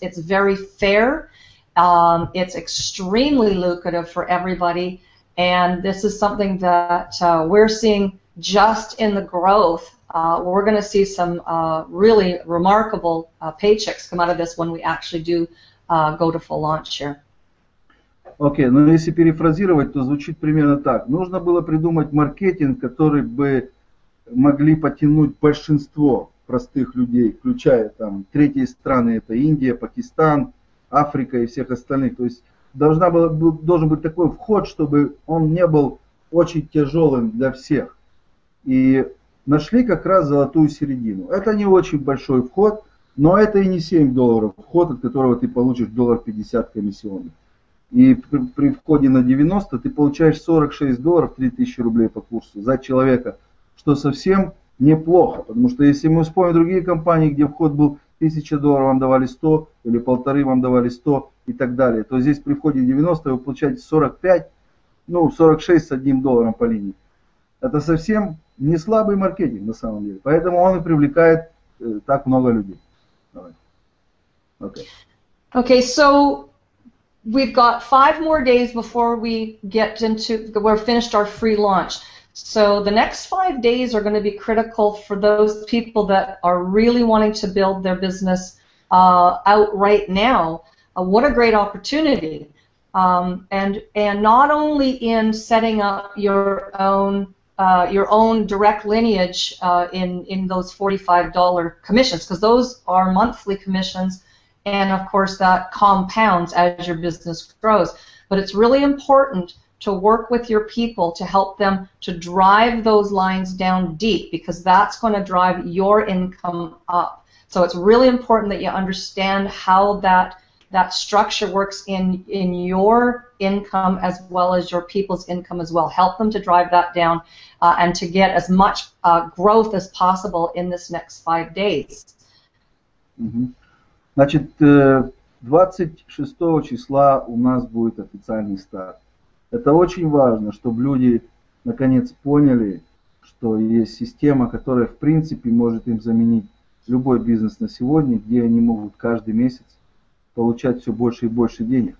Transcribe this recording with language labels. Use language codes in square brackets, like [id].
[en] It's very fair. It's extremely lucrative for everybody. And this is something that we're seeing just in the growth. We're going to see some really remarkable paychecks come out of this when we actually do go to full launch here. [ru] Okay, ну если перефразировать, то звучит примерно так. Нужно было придумать маркетинг, который бы могли потянуть большинство простых людей, включая там третьи страны, это Индия, Пакистан, Африка и всех остальных. То есть должен быть такой вход, чтобы он не был очень тяжелым для всех. И нашли как раз золотую середину. Это не очень большой вход, но это и не $7 вход, от которого ты получишь $1.50 комиссионных. И при входе на 90 ты получаешь $46, 3000 рублей по курсу за человека, что совсем неплохо. Потому что если мы вспомним другие компании, где вход был $1000, вам давали 100, или 1500, вам давали 100 и так далее, то здесь при входе 90 вы получаете 45, ну 46 с $1 по линии. Это совсем не слабый маркетинг на самом деле, поэтому он и привлекает так много людей. Давай. [en] Okay, so we've got 5 more days before we get into, we're finished our free launch. So the next 5 days are going to be critical for those people that are really wanting to build their business out right now. What a great opportunity. And not only in setting up your own direct lineage in those $45 commissions, because those are monthly commissions, and of course that compounds as your business grows. But it's really important to work with your people to help them to drive those lines down deep, because that's going to drive your income up. So it's really important that you understand how that that structure works in your income as well as your people's income as well. Help them to drive that down and to get as much growth as possible in this next 5 days. Mm-hmm. [ru] Значит, 26 числа у нас будет официальный старт. Это очень важно, чтобы люди наконец поняли, что есть система, которая в принципе может им заменить любой бизнес на сегодня, где они могут каждый месяц получать все больше и больше денег.